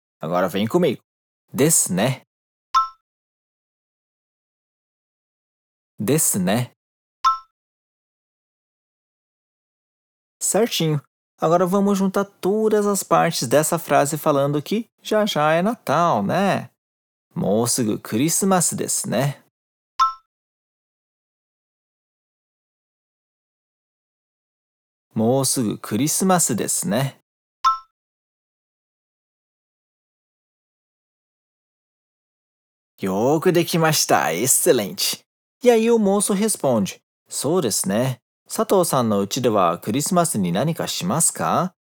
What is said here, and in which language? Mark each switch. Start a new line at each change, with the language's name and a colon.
Portuguese: Agora vem comigo.
Japanese: ですね。ですね。
Portuguese: Certinho. Agora vamos juntar todas as partes dessa frase falando que já já é Natal, né?
Japanese: もうすぐクリスマスですね。もうすぐクリスマスですね。よくできました。Excelente!
Portuguese: E aí o moço responde:
Japanese: そうですね。佐藤さんのうちではクリスマスに何かしますか？